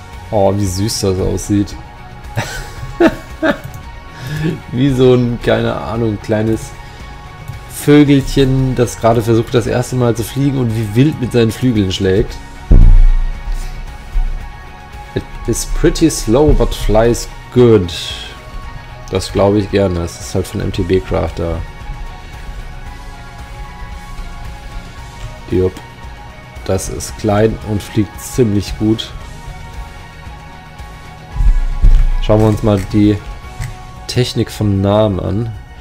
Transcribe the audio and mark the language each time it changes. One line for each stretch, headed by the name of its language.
German: Oh, wie süß das aussieht. Wie so ein, keine Ahnung, kleines Vögelchen, das gerade versucht, das erste Mal zu fliegen und wie wild mit seinen Flügeln schlägt.
English: It is pretty slow, but flies good.
German: Das glaube ich gerne. Das ist halt von MTB Crafter. Jupp. Das ist klein und fliegt ziemlich gut. Schauen wir uns mal die Technik von Nahem an.